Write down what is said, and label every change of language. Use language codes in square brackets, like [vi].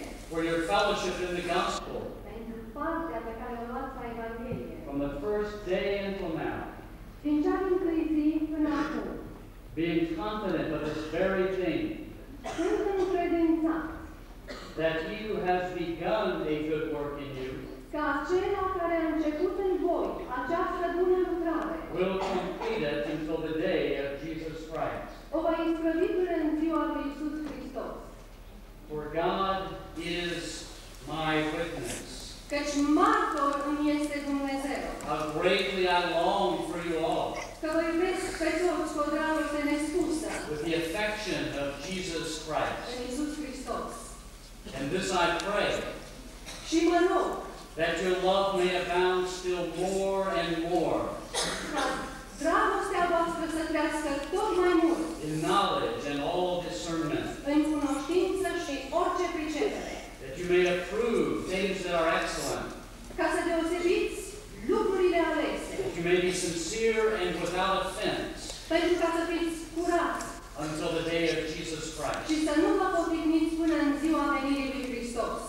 [en] For your fellowship in the gospel, from the first day until now, being confident of this very thing, that he who has begun a good work in you will complete it until the day of Jesus Christ. [ro] O va isprăvi până în ziua lui Iisus Hristos. [en] For God is my witness. [ro] Căci martor îmi este Dumnezeu. [en] How greatly I long for you all. [ro] Că vă iubesc pe toți cu o dragoste nespusă. [en] With the affection of Jesus Christ. [ro] În Iisus Hristos. [en] And this I pray. [ro] Și mă rog. [en] That your love may abound still more and more. [ro] Dragostea voastră să crească tot mai mult. [en] In knowledge and all discernment. [ro] În cunoștință și orice pricepere. [en] That you may approve things that are excellent. [ro] Ca să deosebiți lucrurile alese. [en] That you may be sincere and without offense. [ro] Pentru ca să fiți curați. [en] Until the day of Jesus Christ. [ro] Și să nu vă potigniți până în ziua venirii lui Hristos.